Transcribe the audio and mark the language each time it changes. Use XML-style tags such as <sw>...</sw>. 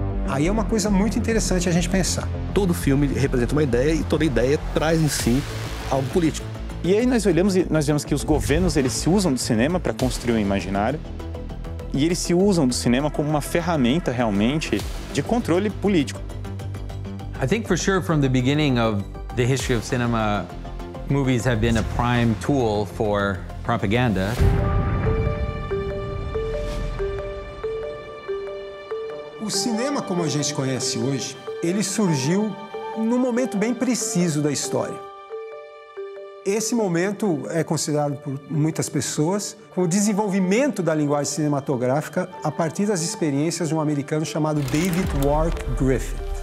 <pt>Aí é uma coisa muito interessante a gente pensar. Todo filme representa uma ideia e toda ideia traz em si algo político. E aí nós olhamos e nós vemos que os governos, eles se usam do cinema para construir um imaginário e eles se usam do cinema como uma ferramenta realmente de controle político.</pt> <en>I think for sure from the beginning of the history of cinema, movies have been a prime tool for propaganda.</en> <pt>O cinema como a gente conhece hoje, ele surgiu num momento bem preciso da história. Esse momento é considerado por muitas pessoas como o desenvolvimento da linguagem cinematográfica a partir das experiências de um americano chamado David Wark Griffith.</pt>